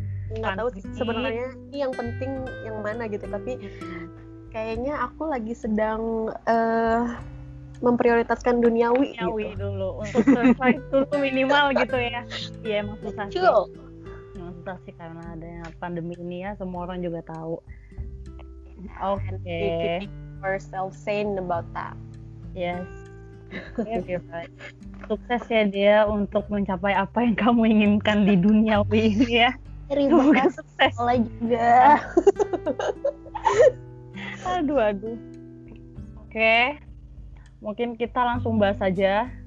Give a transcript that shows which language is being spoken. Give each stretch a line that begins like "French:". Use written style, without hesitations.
Indonesian: Nggak tahu sebenarnya ini yang penting yang mana gitu, tapi kayaknya aku lagi sedang memprioritaskan duniawi gitu. Dulu untuk survive dulu minimal gitu ya. Iya, emang susah sih karena adanya pandemi ini ya, semua orang juga tahu.
English: Okay. Keep yourself sane about that. Yes.
Indonesian: Sukses ya Dea untuk mencapai apa yang kamu inginkan di dunia ini ya. Terima kasih. Sukses. Sekolah juga. Aduh. Oke. Mungkin kita langsung bahas aja.